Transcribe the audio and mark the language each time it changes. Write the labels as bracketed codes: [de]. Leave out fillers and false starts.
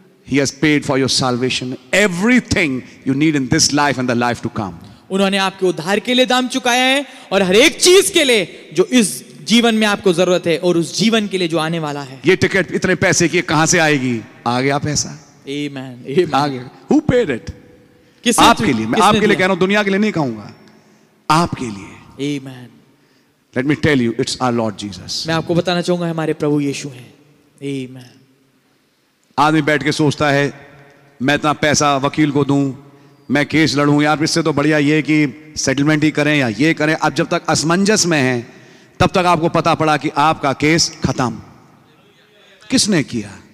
[en] He has paid for your salvation, everything you need in this life and the life to come. [hi] उन्होंने आपके उद्धार के लिए दाम चुकाया है और हर एक चीज के लिए जो इस जीवन में आपको जरूरत है और उस जीवन के लिए जो आने वाला है. ये टिकट इतने पैसे की कहां से आएगी? आ गया पैसा. [en] Amen. Who paid it? [hi] आपके लिए. मैं आपके लिए कह रहा हूं, दुनिया के लिए नहीं कहूंगा, आपके लिए. [en] Amen. Let me tell you, it's our Lord Jesus. [hi] मैं आपको बताना चाहूंगा, हमारे प्रभु यीशु हैं. [en] Amen. [hi] आदमी बैठ के सोचता है, मैं इतना पैसा वकील को दूं, मैं केस लड़ूं, यार इससे तो बढ़िया ये कि सेटलमेंट ही करें या ये करें. अब जब तक असमंजस में है तब तक आपको पता पड़ा कि आपका केस खत्म. किसने किया?